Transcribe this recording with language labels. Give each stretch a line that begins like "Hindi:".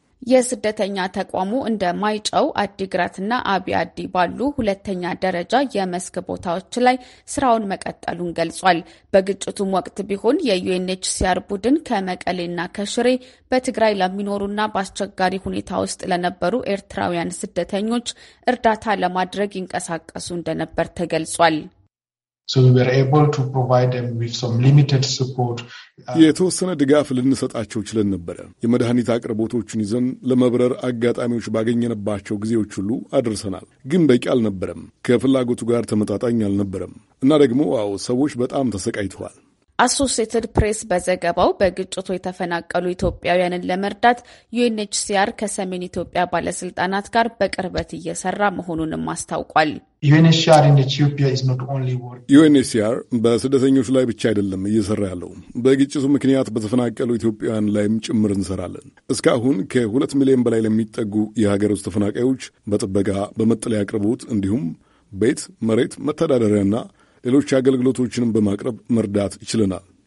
Amharic: የስደተኛ ተቋሙ እንደ ማይጨው፣ አዲግራትና አቢ አዲ ባሉ 2ኛ ደረጃ የመስክ ቦታዎች ላይ ስራውን መቀጠሉን ገልጿል። በግጭቱም ወቅት ቢሆን የዩኤንኤችሲአር ቡድን ከመቀሌና ከሽሬ በትግራይ ለሚኖሩና በአስቸጋሪ ሁኔታ ውስጥ ለነበሩ ኤርትራውያን ስደተኞች እርዳታ ለማድረግ ይንቀሳቀሱ እንደነበር ተገልጿል።
English: So we were able to provide them with some limited support.
Amharic: የተወሰነ ድጋፍ ልንሰጣቸው ይችላል ነበር። የመድኃኒት አቅርቦቶችን ይዘን ለመብረር አጋጣሚዎች ባገኘንባቸው ጊዜዎች ሁሉ አድርሰናል። ግን በቂ አልነበረም። ከፍላጎቱ ጋር ተመጣጣኝ አልነበረም። እና ደግሞ አው ሰዎች በጣም ተሰቃይተዋል። Associated Press በዘገባው በግጭቱ የተፈናቀሉ ኢትዮጵያውያንን ለመርዳት UNHCR ከሰሜን ኢትዮጵያ ባለስልጣናት ጋር በቅርበት እየሰራ መሆኑንም አስታውቋል።
English: UNHCR in Ethiopia is not only working.
Amharic: UNHCR በስደተኞች ላይ ብቻ አይደለም እየሰራ ያለው። በግጭቱ ምክንያት በተፈናቀሉ ኢትዮጵያውያን ላይም ጭምር እንሰራለን። እስካሁን ከ2 ሚሊዮን በላይ ለሚጠጉ የሀገር ውስጥ ተፈናቃዮች በጥበቃ በመጠለያ አቅርቦት እንዲሁም ቤት መሬት መተዳደሪያና ሌሎች አገልግሎቶችንም በማቅረብ መርዳት ይችላል።